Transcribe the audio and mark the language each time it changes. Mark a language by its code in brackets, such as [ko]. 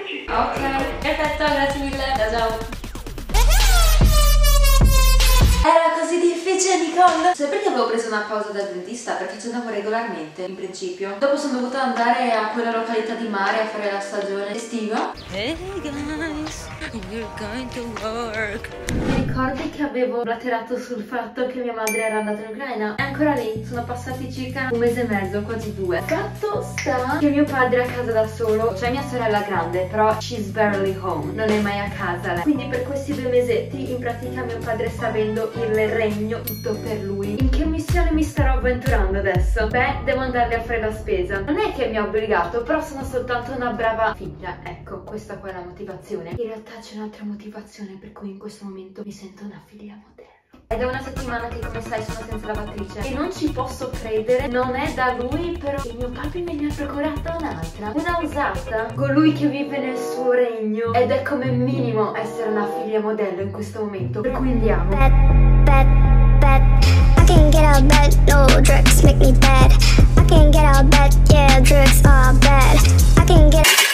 [it] Ok, perfetto, grazie mille. Ciao. Era così difficile, Nicole? Sai perché avevo preso una pausa dal dentista? Perché ci andavo regolarmente, in principio. Dopo sono dovuta andare a quella località di mare a fare la stagione estiva. [en] Hey guys, you're going to work. [it] Ti ricordi che avevo blatterato sul fatto che mia madre era andata in Ucraina? È ancora lì, sono passati circa un mese e mezzo, quasi due. Fatto sta che mio padre è a casa da solo. Cioè mia sorella grande, però [en] she's barely home. [it] Non è mai a casa lei. Quindi per questi due mesetti, in pratica mio padre sta avendo il regno tutto per lui. In che missione mi starò avventurando adesso? Beh, devo andare a fare la spesa. Non è che mi ha obbligato, però sono soltanto una brava figlia. Ecco, questa qua è la motivazione. In realtà c'è un'altra motivazione per cui in questo momento mi sento una figlia moderna. È da una settimana che, come sai, sono senza lavatrice. E non ci posso credere, non è da lui, però il mio papi me ne ha procurata un'altra. Una usata. Colui che vive nel suo regno. Ed è come minimo essere una figlia modello in questo momento. Per cui andiamo. [en] Bad, bad, bad. I can get out bad, no drugs make me bad. I can get out bad, yeah, drugs are bad. I can get...